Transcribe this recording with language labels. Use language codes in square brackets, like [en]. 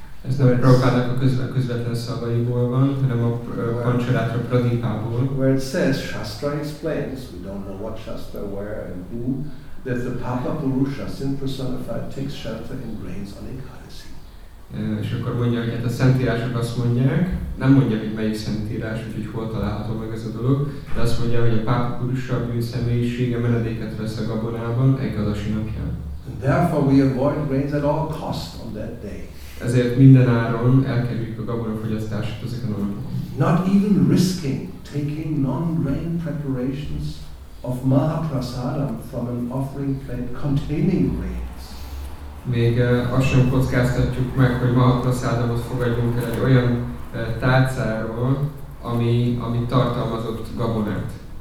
[hu] Ez nem Prabhupádnak a közvetlen szavaiból van, hanem a Pancharatra Pradipából. [en] Where it says, Shastra explains, we don't know what Shastra, where and who, that the Papa Purusha, sin personified, takes shelter in grains on Ekadasi. [hu] És akkor mondja, hogy hát a szentírások azt mondják, nem mondja, hogy melyik szentírás, úgyhogy hol található meg ez a dolog, de azt mondja, hogy a Papa Purusha bűn személyisége menedéket vesz a gabonában Ekadasi napján. [en] And therefore we avoid grains at all cost on that day. [hu] Ezért minden áron elkerüljük a gabona fogyasztását ezeken a napokon. [en] Not even risking taking non-grain preparations of Mahaprasadam from an offering plate containing grains. [hu] Még azt sem kockáztatjuk meg, hogy Mahaprasadamot fogadjunk el egy olyan tárcáról, ami tartalmazott gabonát.